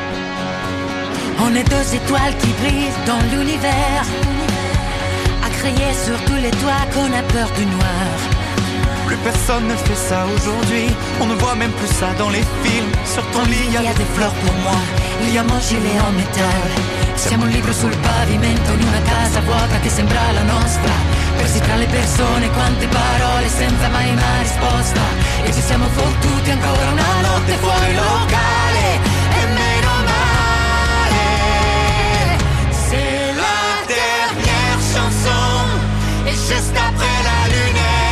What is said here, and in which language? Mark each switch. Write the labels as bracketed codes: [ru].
[fr] Pour toi. On est deux étoiles qui brillent dans l'univers, à crier sur tous les toits qu'on a peur du noir. Plus personne ne fait ça aujourd'hui, on ne voit même plus ça dans les films. Sur ton lit, il y a des fleurs pour moi, il y a mon gilet en métal. [it] Siamo un libro sul pavimento in una casa vuota che sembra la nostra. Persi tra le persone, quante parole senza mai una risposta. E ci siamo fottuti ancora una notte fuori locale. E meno male se [fr] la dernière chanson est juste après la lune.